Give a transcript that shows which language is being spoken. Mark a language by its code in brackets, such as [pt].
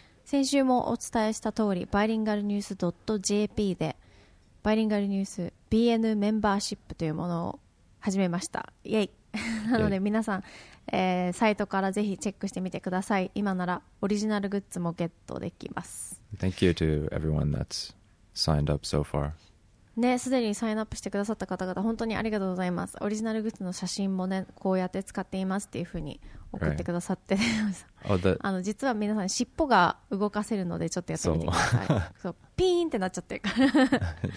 [ja] 先週もお伝えした通り、バイリンガルニュース .jp でバイリンガルニュース BN メンバーシップというものを始めました。イエイ。なので皆さん、サイトからぜひチェックしてみてください。今ならオリジナルグッズもゲットできます。 [en] Thank you to everyone that's signed up so far。 [ja] ね、すでにサインアップしてくださった方々本当にありがとうございます。オリジナルグッズの写真もね、こうやって使っていますっていう風に送ってくださって、 [en] right. oh, that... [ja] あの実は皆さん尻尾が動かせるのでちょっとやってみてください。そうピーンってなっちゃってるから。